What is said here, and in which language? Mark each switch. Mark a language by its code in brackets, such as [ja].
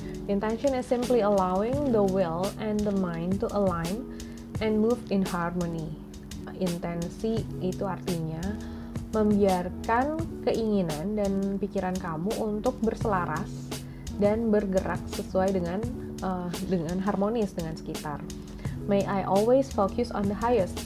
[en] Intention is simply allowing the will and the mind to align and move in harmony. [id] Intensi itu artinya membiarkan keinginan dan pikiran kamu untuk berselaras dan bergerak sesuai dengan harmonis dengan sekitar. [en] May I always focus on the highest.